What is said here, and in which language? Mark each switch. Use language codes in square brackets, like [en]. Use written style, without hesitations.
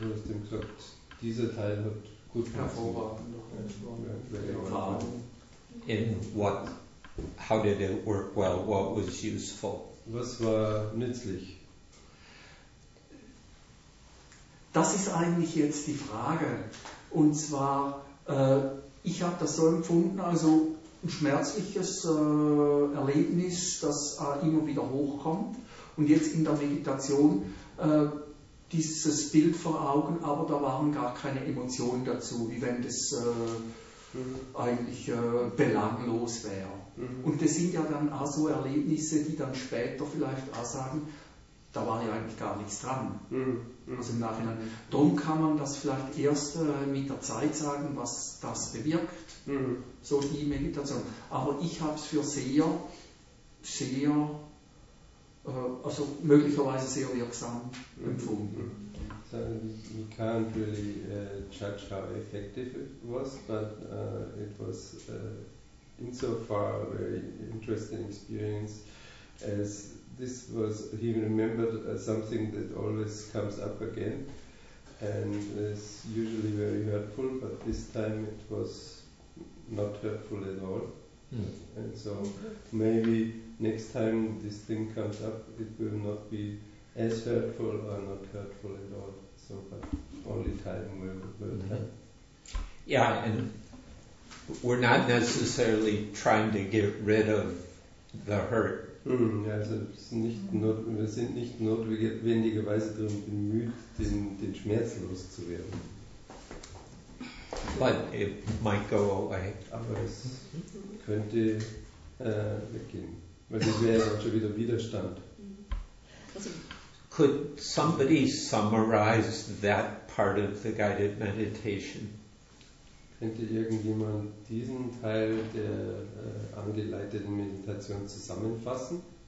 [de] Du hast eben gesagt, dieser Teil hat gut funktioniert. [en] In what, how did it work well, what was useful? [de] Was war nützlich? Das ist eigentlich jetzt die Frage. Und zwar, ich habe das so empfunden, also ein schmerzliches Erlebnis, das immer wieder hochkommt. Und jetzt in der Meditation dieses Bild vor Augen, aber da waren gar keine Emotionen dazu, wie wenn das eigentlich belanglos wäre. Mhm. Und das sind ja dann auch so Erlebnisse, die dann später vielleicht auch sagen, da war ja eigentlich gar nichts dran. Mhm. Also im Nachhinein. Darum kann man das vielleicht erst mit der Zeit sagen, was das bewirkt, so die Meditation. Aber ich habe es für sehr, sehr, also möglicherweise sehr wirksam empfunden. [en] So you can't really judge how effective it was, but it was insofar a very interesting experience as this was, he remembered something that always comes up again and is usually very hurtful, but this time it was not hurtful at all. Mm. And so maybe next time this thing comes up, it will not be as hurtful or not hurtful at all. So, but only time will tell. Yeah, and we're not necessarily trying to get rid of the hurt. [de] Also wir sind nicht notwendigerweise darum bemüht, den Schmerz loszuwerden. [en] But it might go away. [de] Aber es könnte weggehen. Weil das wäre dann schon wieder Widerstand. [en] Could somebody summarize that part of the guided meditation? [de] Könnte irgendjemand diesen Teil der angeleiteten Meditation zusammenfassen?